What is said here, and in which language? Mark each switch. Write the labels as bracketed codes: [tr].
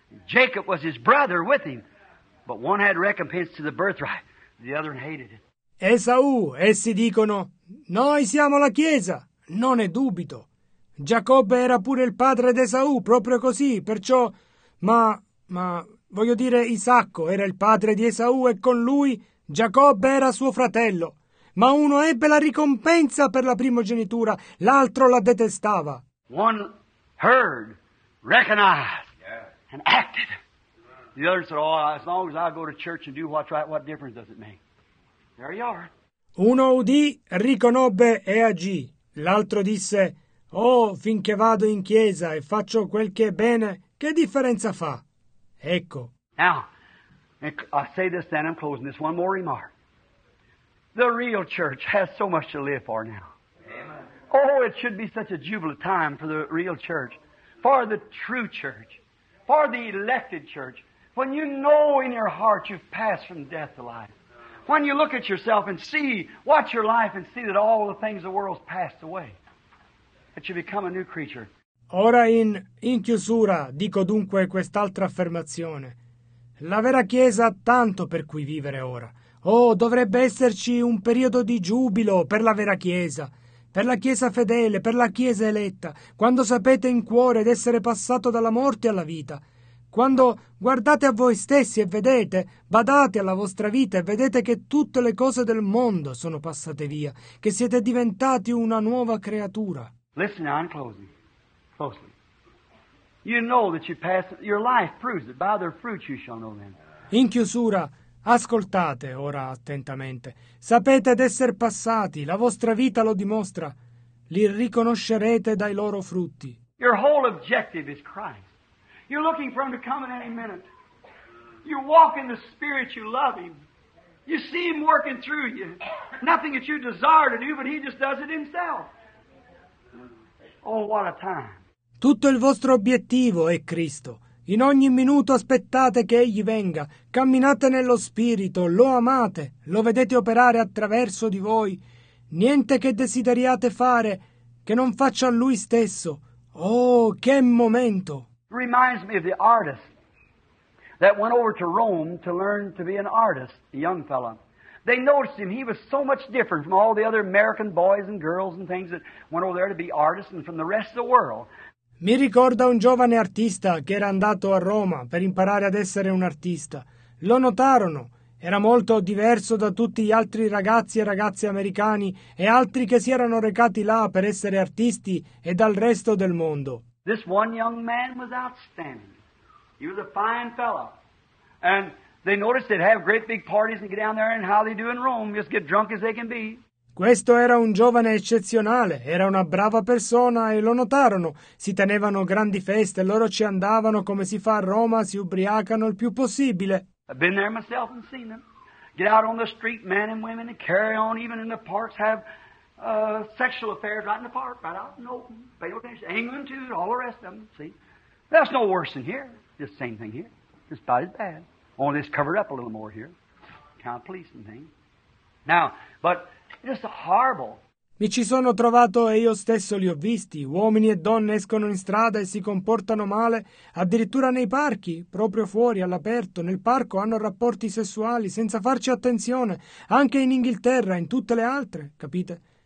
[en] Jacob was his brother with him, but one had recompense to the birthright, the other hated it. [it] Esau, essi dicono, noi siamo la Chiesa, non è dubito. Giacobbe era pure il padre di Esau, proprio così, perciò, ma, voglio dire, Isacco era il padre di Esau e con lui Giacobbe era suo fratello. Ma uno ebbe la ricompensa per la primogenitura, l'altro la detestava. [en] One heard, recognized, and acted. The other said, oh, as long as I go to church and do what's right, what difference does it make? There you are. [it] Uno udì, riconobbe e agì. L'altro disse, oh, finché vado in chiesa e faccio quel che è bene, che differenza fa? Ecco. [en] Now, I say this then, I'm closing this, one more remark. The real church has so much to live for now. Amen. Oh, it should be such a jubilant time for the real church, for the true church, for the elected church, when you know in your heart you've passed from death to life. When you look at yourself and see, watch your life and see that all the things of the world's passed away, that you become a new creature. [it] Ora in chiusura dico dunque quest'altra affermazione. La vera Chiesa ha tanto per cui vivere ora. Oh, dovrebbe esserci un periodo di giubilo per la vera Chiesa, per la Chiesa fedele, per la Chiesa eletta, quando sapete in cuore d'essere passato dalla morte alla vita. Quando guardate a voi stessi e vedete, badate alla vostra vita e vedete che tutte le cose del mondo sono passate via, che siete diventati una nuova creatura. [en] Listen, I'm closing. Closely. You know that you pass, your life proves it. By their fruits you shall know them. [it] In chiusura, ascoltate ora attentamente. Sapete d'essere passati, la vostra vita lo dimostra. Li riconoscerete dai loro frutti. [en] Your whole objective is Christ. You're looking for Him to come in any minute. You walk in the Spirit, you love Him. You see Him working through you. Nothing that you desire to do, but He just does it Himself. Oh, what a time. [it] Tutto il vostro obiettivo è Cristo. In ogni minuto aspettate che Egli venga. Camminate nello Spirito, lo amate, lo vedete operare attraverso di voi. Niente che desideriate fare che non faccia Lui stesso. Oh, che momento! [en] Reminds me of the artist that went over to Rome to learn to be an artist, a young fellow. They noticed him. He was so much different from all the other American boys and girls and things that went over there to be artists and from the rest of the world. [it] Mi ricorda un giovane artista che era andato a Roma per imparare ad essere un artista. Lo notarono. Era molto diverso da tutti gli altri ragazzi e ragazze americani e altri che si erano recati là per essere artisti e dal resto del mondo. [en] This one young man was outstanding. He was a fine fellow. And they noticed they'd have great big parties and get down there and how they do in Rome, just get drunk as they can be. [it] Questo era un giovane eccezionale, era una brava persona e lo notarono. Si tenevano grandi feste, loro ci andavano come si fa a Roma, si ubriacano il più possibile. [en] I've been there myself and seen them. Get out on the street, men and women, and carry on, even in the parks, have sexual affairs right in the park, right out in the open. Pay attention. England too, all the rest of them, see. That's no worse than here. Just same thing here. Just about as bad. Only it's covered up a little more here. Kind of policing thing. Now, but just horrible. [it] Mi ci sono trovato e io stesso li ho visti. Uomini e donne escono in strada e si comportano male, addirittura nei parchi, proprio fuori, all'aperto, nel parco hanno rapporti sessuali senza farci attenzione, anche in Inghilterra, in tutte le altre, capite?